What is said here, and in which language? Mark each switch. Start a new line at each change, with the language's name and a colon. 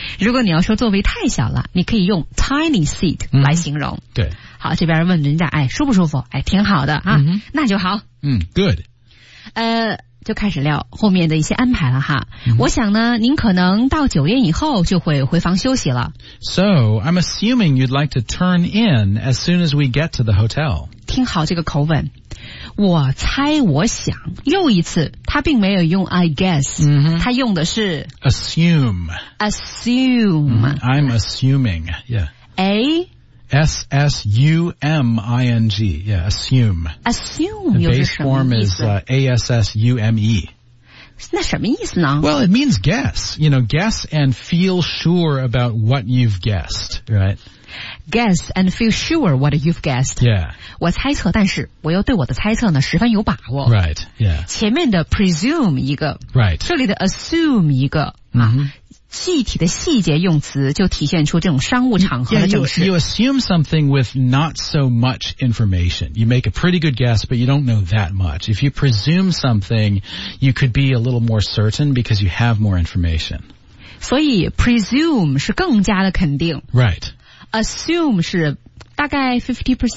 Chinese: 如果你要说座位太小了，你可以用
English: tiny seat、
Chinese: mm-hmm. 来形容。对。好，这边问人家哎舒不舒服，哎挺好的啊、 mm-hmm. 那就好。
English: 嗯、mm, good。
Chinese: 就开始聊后面的一些安排了哈。 Mm-hmm. 我想呢您可能到九点以后就会回房休息了。
English: So, I'm assuming you'd like to turn in as soon as we get to the hotel.
Chinese: 听好这个口吻。我猜我想又一次他并没有用
English: I guess、 mm-hmm.
Chinese: 他用的是
English: Assume、 mm-hmm. I'm assuming、yeah. A-S-S-U-M-I-N-G yeah, Assume
Chinese: 又是什么意思
English: base form is、A-S-S-U-M-E
Chinese: 那什么意思呢
English: Well it means guess you know, guess and feel sure about what you've guessed right? Guess and feel sure what you've guessed. Yeah.
Chinese: 我猜测，但是我又对我的猜测呢十分有把握。
English: Right. Yeah.
Chinese: 前面的 presume 一个。
English: Right.
Chinese: 这里的 assume 一个。 Mm-hmm. 啊。具体的细节用词就体现出这种商务场合的正式。
English: Yeah, you assume something with not so much information. You make a pretty good guess, but you don't know that much. If you presume something, you could be a little more certain because you have more information.
Chinese: 所以 presume 是更加的肯定。
English: Right.
Chinese: Assume 是大概 50%?